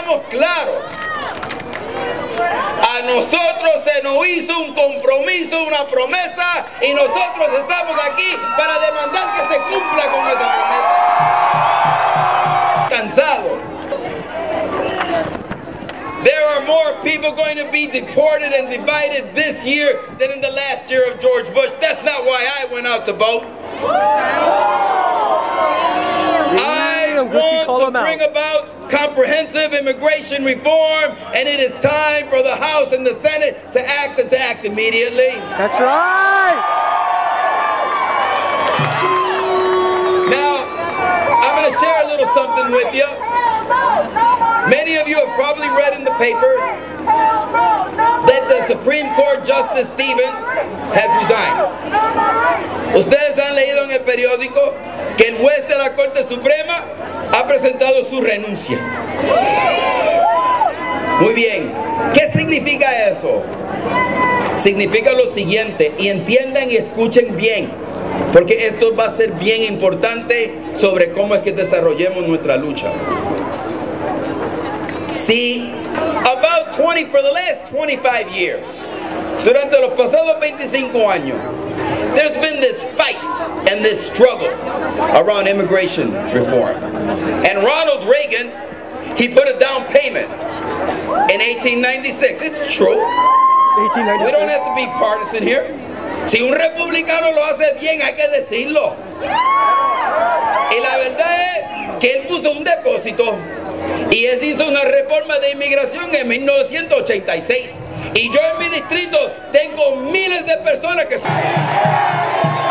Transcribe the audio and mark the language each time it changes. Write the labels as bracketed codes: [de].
[es] Claro, a nosotros se nos hizo un compromiso, una promesa, y nosotros estamos aquí para demandar que se cumpla con esa promesa. Cansado. [en] There are more people going to be deported and divided this year than in the last year of George Bush. That's not why I went out to vote. I want to bring about comprehensive immigration reform, and it is time for the House and the Senate to act and to act immediately. That's right! Now, I'm going to share a little something with you. Many of you have probably read in the papers that the Supreme Court Justice Stevens has resigned. [es] ¿Ustedes han leído en el periódico que el juez de la Corte Suprema ha presentado su renuncia? Muy bien. ¿Qué significa eso? Significa lo siguiente, y entiendan y escuchen bien, porque esto va a ser bien importante sobre cómo es que desarrollemos nuestra lucha. Si [en] for the last 25 years, [es] durante los pasados 25 años, [en] There's been this fight and this struggle around immigration reform. And Ronald Reagan, he put a down payment in 1896. It's true. 1896. We don't have to be partisan here. [es] Si un republicano lo hace bien, hay que decirlo. Y la verdad es que él puso un depósito y él hizo una reforma de inmigración en 1986. Y yo en mi distrito tengo miles de personas que son...